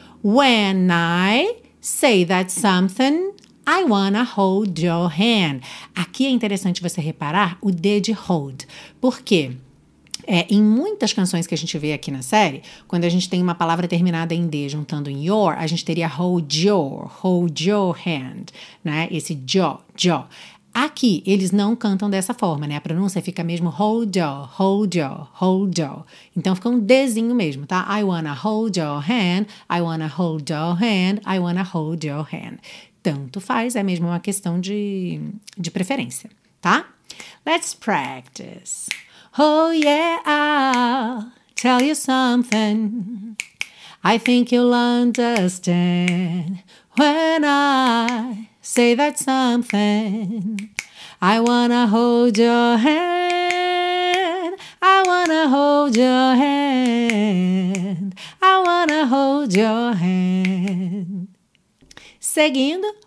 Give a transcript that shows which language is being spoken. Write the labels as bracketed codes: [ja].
[en] When I say that something, I wanna hold your hand. [pt] Aqui é interessante você reparar o D de hold. Por quê? Em muitas canções que a gente vê aqui na série, quando a gente tem uma palavra terminada em D juntando em your, a gente teria [en] hold your hand, [pt] né? Esse jo, jo. Aqui, eles não cantam dessa forma, né? A pronúncia fica mesmo [en] hold your, hold your, hold your. [pt] Então, fica um Dzinho mesmo, tá? [en] I wanna hold your hand, I wanna hold your hand, I wanna hold your hand. [pt] Tanto faz, é mesmo uma questão de preferência, tá? [en] Let's practice. Oh yeah, I'll tell you something, I think you'll understand. When I say that something, I wanna hold your hand, I wanna hold your hand, I wanna hold your hand. [pt] Seguindo,